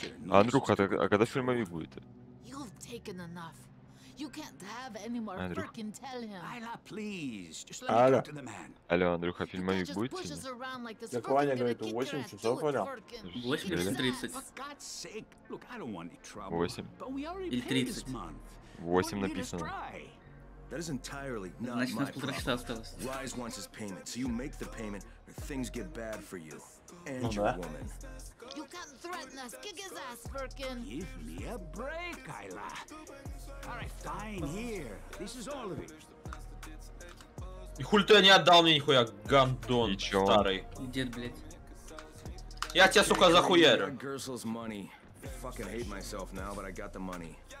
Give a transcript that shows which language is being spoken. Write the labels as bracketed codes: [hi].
[ru] Андрюха, а когда фильмовик будет? [en] You've taken enough. You can't have any more freaking tell him. Айла, please. Just let me talk to the man. [ru] Алло, Андрюха, фильмовик будет? Так Ваня говорит, 8 часов, Ваня. 8 или 30? 8? Или 30? 8 написано. Значит, у нас полтора часа осталось. [en] Rise wants his payment, so you make the payment, or things get bad for you. And your woman. You can't threaten us, kick his ass, Birkin. Give me a break, Ayla. All right, fine, here. This is all of it. [ru] И хуй ты не отдал мне нихуя, гандон старый. Дед, блядь. Я тебя, сука, захуярю. [en] I got the money. I fucking hate myself now, but I got the money.